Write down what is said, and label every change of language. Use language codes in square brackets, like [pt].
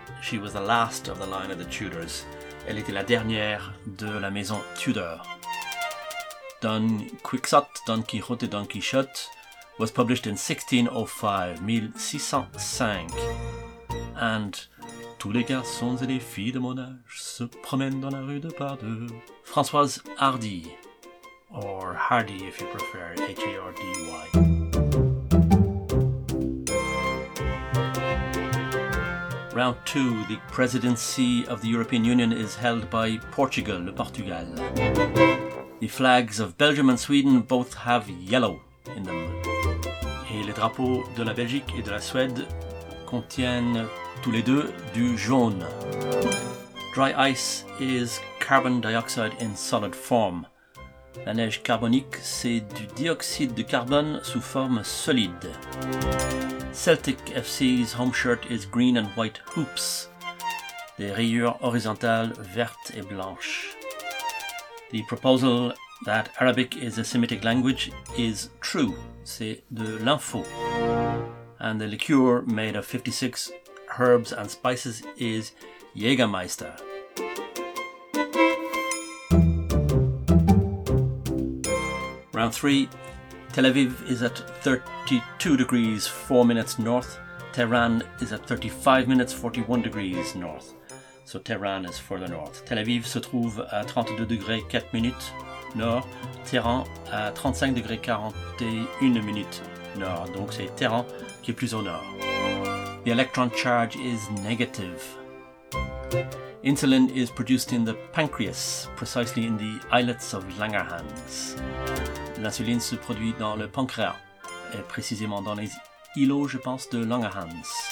[en] She was the last of the line of the Tudors. [fr] Elle était la dernière de la maison Tudor. [en] Don Quixote, Don Quixote, Don Quixote was published in 1605. [fr] And tous les garçons et les filles de mon âge se promènent dans la rue de par deux. [en] Françoise Hardy, or Hardy if you prefer, H-A-R-D-Y. Round 2, the presidency of the European Union is held by Portugal, [fr] le Portugal. [en] The flags of Belgium and Sweden both have yellow in them. [fr] Et les drapeaux de la Belgique et de la Suède contiennent tous les deux du jaune. [en] Dry ice is carbon dioxide in solid form. [fr] La neige carbonique, c'est du dioxyde de carbone sous forme solide. [en] Celtic FC's home shirt is green and white hoops. [fr] Des rayures horizontales vertes et blanches. [en] The proposal that Arabic is a Semitic language is true. [fr] C'est de l'info. [en] And the liqueur made of 56 herbs and spices is Jägermeister. Round 3. Tel Aviv is at 32 degrees 4 minutes north. Tehran is at 35 minutes 41 degrees north. So Tehran is further north. [fr] Tel Aviv se trouve à 32 degrés 4 minutes nord. Tehran à 35 degrés 41 minutes nord. Donc c'est Tehran qui est plus au nord. [en] The electron charge is negative. Insulin is produced in the pancreas, precisely in the islets of Langerhans. [fr] L'insuline se produit dans le pancréas, et précisément dans les îlots, je pense, de Langerhans.